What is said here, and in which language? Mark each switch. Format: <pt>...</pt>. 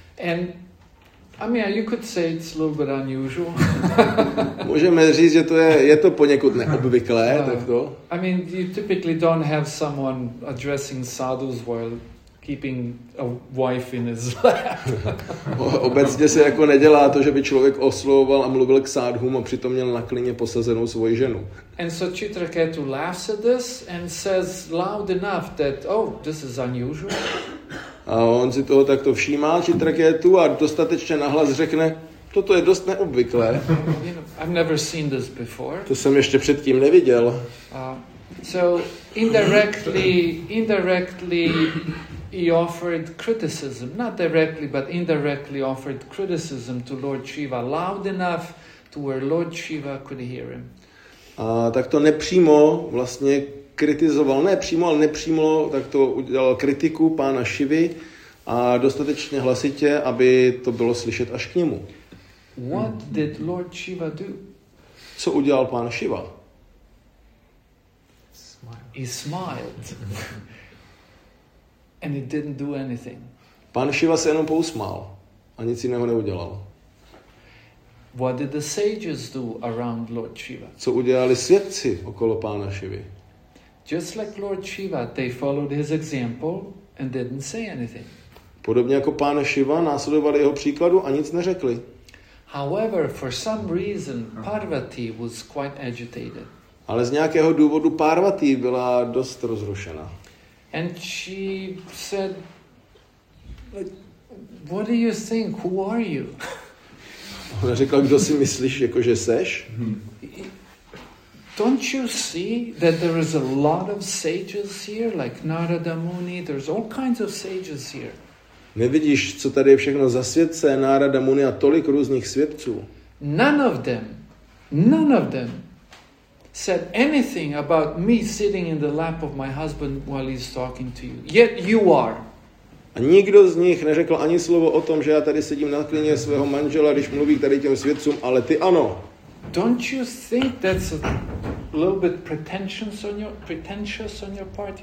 <en>And I mean, you could say it's a little bit unusual.</en> <cs>Můžeme říct, že je to poněkud neobvyklé, tak to.</cs> <en>I mean, you typically don't have someone addressing sadhus while keeping a wife in his lap.</en> <cs>Obecně se jako nedělá to, že by člověk oslovoval a mluvil k sádhům a přitom měl na klině posazenou svoji ženu.</cs> <en>And so Chitraketu laughs at this and says loud enough that, oh, this is unusual.</en> <cs>A on si toho takto všímá, Chitraketu, a dostatečně nahlas řekne, toto je dost neobvyklé.</cs> <en>I've never seen this before.</en> <cs>To jsem ještě předtím neviděl.</cs> <en>So indirectly he offered criticism, not directly, but indirectly offered criticism to Lord Shiva loud enough to where Lord Shiva could hear him.</en> <cs>A tak to nepřímo vlastně kritizoval, ne přímo, ale nepřímo, tak to udělal kritiku pána Shivy a dostatečně hlasitě, aby to bylo slyšet až k němu.</cs> <en>What did Lord Shiva do?</en> <cs>Co udělal pán Shiva?</cs> <en>He smiled. And he didn't do anything.</en> <cs>Pán Shiva se jenom pousmál a nic jiného neudělal.</cs> <en>What did the sages do around Lord Shiva?</en> <cs>Co udělali svědci okolo pána Shivy?</cs> <en>Just like Lord Shiva, they followed his example and didn't say anything.</en> <cs>Podobně jako pán Shiva následovali jeho příkladu a nic neřekli.</cs> <en>However, for some reason, Parvati was quite agitated.</en> <cs>Ale z nějakého důvodu Parvati byla dost rozrušena.</cs> <en>And she said, "What do you think? Who are you?"</en> <cs>Ona řekla, kdo si myslíš, jakože seš?</cs> <en>Don't you see that there is a lot of sages here, like Narada Muni? There's all kinds of sages here.</en> <cs>Nevidíš, co tady je všechno za světce, Narada Muni a tolik různých světců?</cs> <en>None of them said anything about me sitting in the lap of my husband while he's talking to you. Yet you are.</en> <cs>A nikdo z nich neřekl ani slovo o tom, že já tady sedím na klině svého manžela, když mluví tady těm světcům, ale ty ano.</cs> <en>Don't you think that's a little bit pretentious on your part?</en>